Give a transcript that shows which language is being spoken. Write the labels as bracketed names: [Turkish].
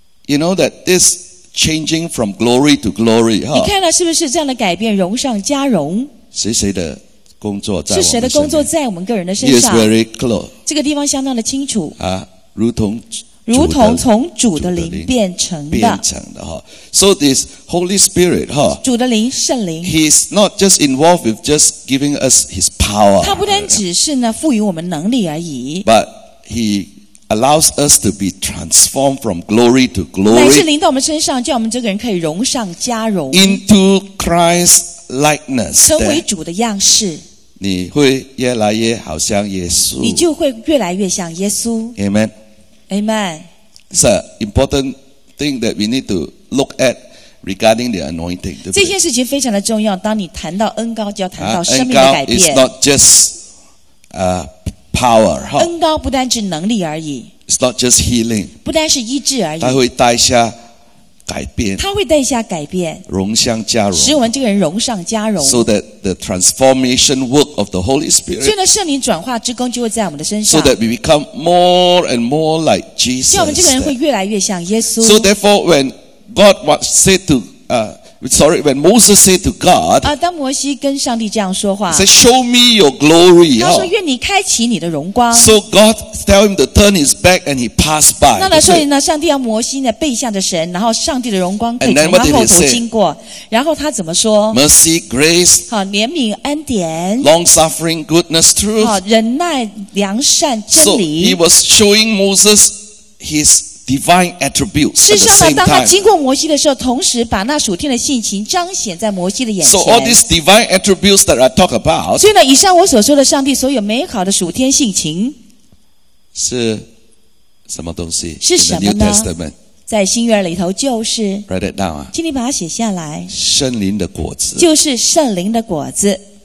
[English] You know that this changing from glory to glory, huh? [Chinese] 你看到是不是这样的改变，荣上加荣？谁的工作在我们身边？是谁的工作在我们个人的身 [English] 上？He is very clear. [Chinese] 这个地方相当的清楚。啊，如同。如同从主的灵变成的，变成的哈。 [English] So this Holy Spirit, [Chinese] 哈，主的灵，圣灵。 [English] He's not just involved with just giving us His power. [Chinese] 他不单只是呢赋予我们能力而已。 [English] But He allows us to be transformed from glory to glory. [Chinese] 乃是临到我们身上，叫我们这个人可以荣上加荣。 [English] Into Christ's likeness, [Chinese] 成为主的样式。你会越来越好像耶稣。你就会越来越像耶稣。 [English] Amen. [Chinese] Amen. [English] It's an important thing that we need to look at regarding the anointing. [Chinese] 这件事情非常的重要。当你谈到恩膏，就要谈到生命的改变。 [English] It's not just power. [Chinese] 恩膏不单是能力而已。 [English] It's not just healing. [Chinese] 不单是医治而已。它会带下改变。它会带下改变。荣上加荣。使我们这个人荣上加荣。 [English] So that the transformation work of the Holy Spirit. [Chinese] 所以呢，圣灵转化之工就会在我们的身上。 [English] So that we become more and more like Jesus. [Chinese] 叫我们这个人会越来越像耶稣。 [English] So therefore, when God was said to, when Moses said to God, [Chinese] 当摩西跟上帝这样说话。 [English] Said, show me your glory. [Chinese] 他说，愿你开启你的荣光。 [English] So God tell him to turn his back and he passed by. [Chinese] 那所以呢，上帝要摩西呢背向着神，然后上帝的荣光可以从他后头经过。然后他怜悯说 [English] ？Mercy, grace. [Chinese] 好，怜悯恩典。 [English] Long suffering, goodness, truth. [Chinese] 好，忍耐良善真理。 [English] So he was showing Moses his. Divine attributes. [Chinese] 事实上，当他经过摩西的时候，同时把那属天的性情彰显在摩西的眼前。 [English] So all these divine attributes that I talk about. [Chinese] 所以呢，以上我所说的上帝所有美好的属天性情，是什么东西？是什么呢 [English] ？New Testament [Chinese] 在新约里头就是。 [English] Write it down 啊， [Chinese] 请你把它写下来。圣灵的果子。就是圣灵的果子。